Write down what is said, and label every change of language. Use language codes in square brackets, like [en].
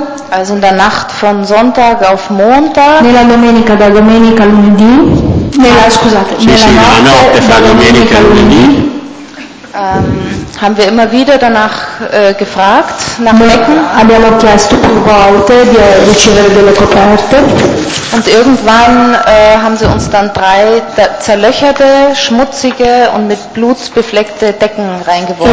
[de] Also in der Nacht von Sonntag auf Montag. [it] Nella domenica da domenica lunedì. Nella notte fra domenica e lunedì. [de] Haben wir immer wieder danach gefragt nach Decken. [it] Abbiamo chiesto più volte di ricevere delle coperte. [de] Und irgendwann haben sie uns dann drei zerlöcherte, schmutzige und mit Blut befleckte Decken reingeworfen.